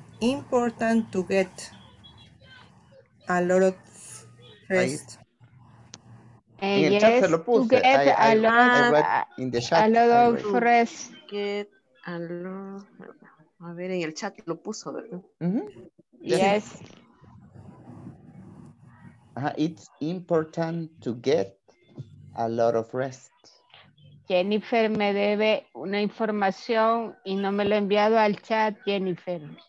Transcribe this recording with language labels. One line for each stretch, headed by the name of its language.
English: important to get a lot of rest. Yes, to get a lot of rest. Get a lot.
Spanish: A ver, en el chat lo puso, ¿verdad?
English: Yes. It's important to get a lot of rest.
Spanish: Jennifer me debe una información y no me lo ha enviado al chat, Jennifer.